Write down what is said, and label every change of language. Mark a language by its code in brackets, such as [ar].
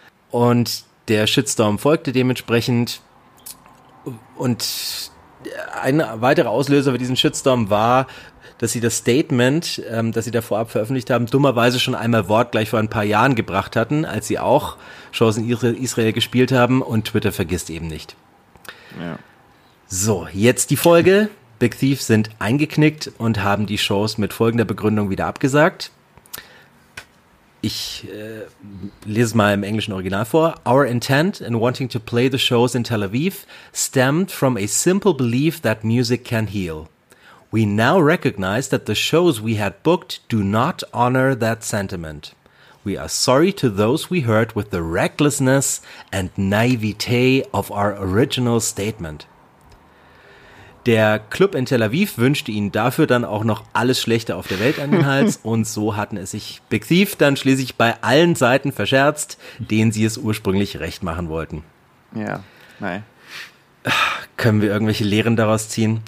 [de] Und der Shitstorm folgte dementsprechend. Und ein weiterer Auslöser für diesen Shitstorm war, dass sie das Statement, das sie da vorab veröffentlicht haben, dummerweise schon einmal wortgleich vor ein paar Jahren gebracht hatten, als sie auch Shows in Israel gespielt haben. Und Twitter vergisst eben nicht. Ja. So, jetzt die Folge. Big Thief sind eingeknickt und haben die Shows mit folgender Begründung wieder abgesagt. Ich lese es mal im englischen Original vor. [en] Our intent in wanting to play the shows in Tel Aviv stemmed from a simple belief that music can heal. We now recognize that the shows we had booked do not honor that sentiment. We are sorry to those we hurt with the recklessness and naivete of our original statement. [de] Der Club in Tel Aviv wünschte ihnen dafür dann auch noch alles Schlechte auf der Welt an den Hals und so hatten es sich Big Thief dann schließlich bei allen Seiten verscherzt, denen sie es ursprünglich recht machen wollten. Ja, nein. Können wir irgendwelche Lehren daraus ziehen?